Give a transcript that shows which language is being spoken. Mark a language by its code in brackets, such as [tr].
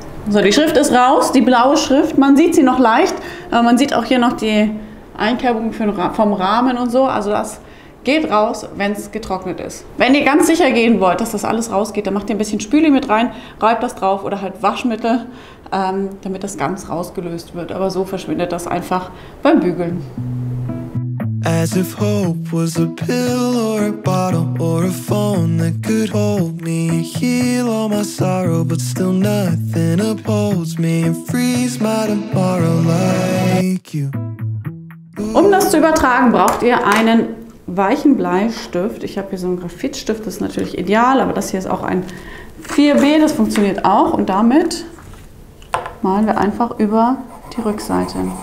[de] So, die Schrift ist raus, die blaue Schrift. Man sieht sie noch leicht, aber man sieht auch hier noch die Einkerbung vom Rahmen und so. Also das geht raus, wenn es getrocknet ist. Wenn ihr ganz sicher gehen wollt, dass das alles rausgeht, dann macht ihr ein bisschen Spüli mit rein, reibt das drauf oder halt Waschmittel, damit das ganz rausgelöst wird. Aber so verschwindet das einfach beim Bügeln. [en] As if hope was a pill or a bottle or a phone that could hold me, heal all my sorrow, but still nothing upholds me and frees my tomorrow like you. [de] Um das zu übertragen, braucht ihr einen weichen Bleistift. Ich habe hier so einen Graphitstift, das ist natürlich ideal, aber das hier ist auch ein 4B, das funktioniert auch. Und damit malen wir einfach über die Rückseite.